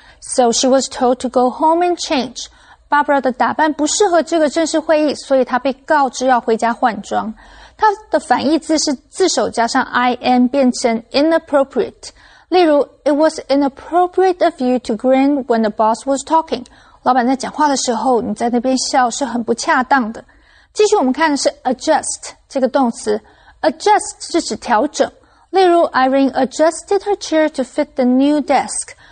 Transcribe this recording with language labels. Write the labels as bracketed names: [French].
[English] So she was told to go home and change. [Chinese] Barbara 的打扮不适合这个正式会议，所以她被告知要回家换装。她的反义字是自首加上 IN 变成 inappropriate。例如 [English] ,it was inappropriate of you to grin when the boss was talking. [Chinese] 老板在讲话的时候你在那边笑是很不恰当的。继续我们看的是 adjust, 这个动词。Adjust 是指调整。例如 [English] ,Irene adjusted her chair to fit the new desk.